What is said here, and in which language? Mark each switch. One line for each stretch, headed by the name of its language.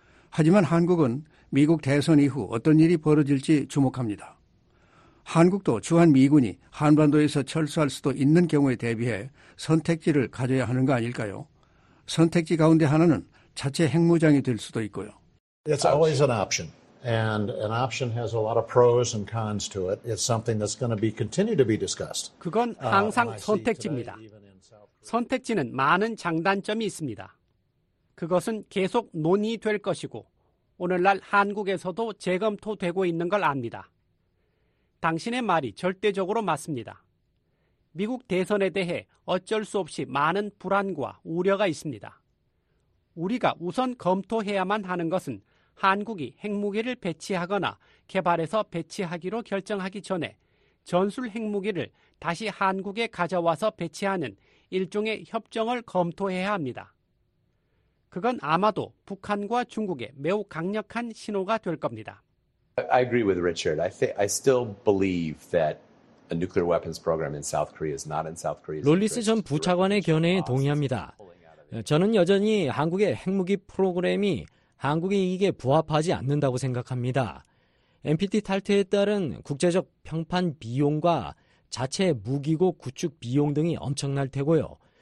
Korean: 하지만 한국은 미국 대선 이후 어떤 일이 벌어질지 주목합니다. 한국도 주한미군이 한반도에서 철수할 수도 있는 경우에 대비해 선택지를 가져야 하는 거 아닐까요? 선택지 가운데 하나는 자체 핵무장이 될 수도 있고요.
English: It's always an option. And an option has a lot of pros and cons to it. It's something that's going to be continue to be discussed.
Korean: 그건 항상 선택지입니다. 선택지는 많은 장단점이 있습니다. 그것은 계속 논의될 것이고 오늘날 한국에서도 재검토되고 있는 걸 압니다. 당신의 말이 절대적으로 맞습니다. 미국 대선에 대해 어쩔 수 없이 많은 불안과 우려가 있습니다. 우리가 우선 검토해야만 하는 것은 한국이 핵무기를 배치하거나 개발해서 배치하기로 결정하기 전에 전술 핵무기를 다시 한국에 가져와서 배치하는 일종의 협정을 검토해야 합니다. 그건 아마도 북한과 중국의 매우 강력한 신호가 될 겁니다.
English: I agree with Richard. I still believe that a nuclear weapons program in South Korea is not in South Korea's interest.
Korean: 롤리스 전 부차관의 견해에 동의합니다. 저는 여전히 한국의 핵무기 프로그램이 한국의 이익에 부합하지 않는다고 생각합니다. NPT 탈퇴에 따른 국제적 평판 비용과 자체 무기고 구축 비용 등이 엄청날 테고요.